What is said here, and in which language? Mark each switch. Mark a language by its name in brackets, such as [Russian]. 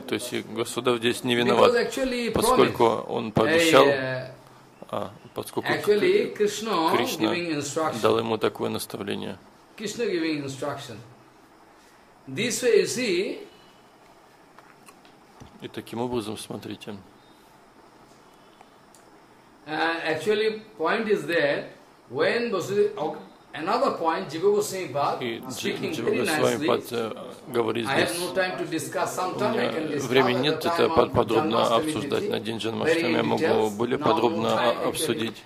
[Russian] То есть Васудев здесь не виноват, поскольку он пообещал, поскольку Кришна дал ему такое наставление. И таким образом, смотрите. [English] Actually, point is that when Vasudev, another point, Jiva Goswami Pad speaking very nicely. I have no time to discuss. Sometime I can discuss. [Russian] Времени нет, это подробно обсуждать на день Джанмаштами. Я могу более подробно обсудить.